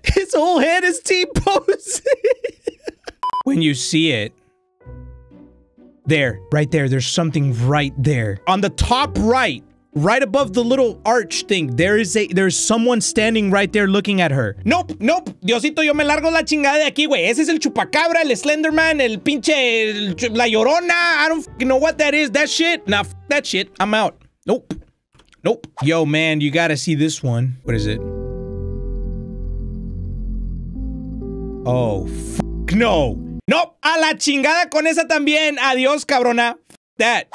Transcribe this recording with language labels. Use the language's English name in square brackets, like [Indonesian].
[English] His whole head is T-posing. When you see it. There, right there, there's something right there. On the top right, right above the little arch thing, there's someone standing right there looking at her. Nope, nope. [Spanish] Diosito, yo me largo la chingada de aquí, güey. Ese es el chupacabra, el Slenderman, el pinche, la llorona. [English] I don't fucking know what that is. That shit? Nah, fuck that shit. I'm out. Nope. Nope. Yo, man, you gotta see this one. What is it? Oh, fuck no. Nope. [Spanish] A la chingada con esa también. Adiós, cabrona. [English] Fuck that.